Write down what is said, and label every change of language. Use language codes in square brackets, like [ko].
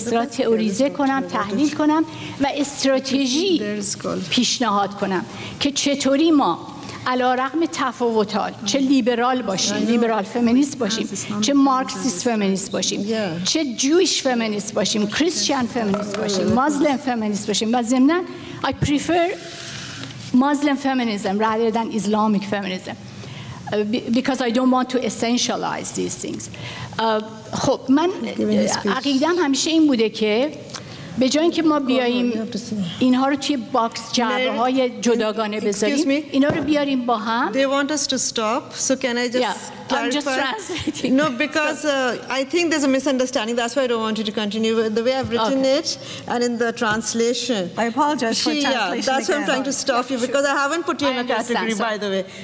[fa] تئوریزه کنم، تحلیل کنم و استراتژی پیشنهاد کنم که چطوری ما علارغم تفاوت‌ها، چه لیبرال باشیم، لیبرال فمینیست باشیم، چه مارکسیست فمینیست باشیم، چه جویش فمینیست باشیم، کریستیان فمینیست باشیم، مسلم فمینیست باشیم. و ضمناً [en] I prefer Muslim feminism rather than Islamic feminism. Because I don't want to essentialize these things. [fa] خب من عقیدم همیشه این بوده که به جای اینکه ما بیاییم اینها رو توی باکس جعبه های جداگانه بذاریم، اینا رو بیاریم با هم. [en] They want us to stop, so can I just clarify? I'm just translating. No, because I think there's a misunderstanding, that's why I don't want you to continue. The way I've written it and in the translation. I apologize for translation. That's why I'm trying to stop you, because I haven't put you in a category, by the way.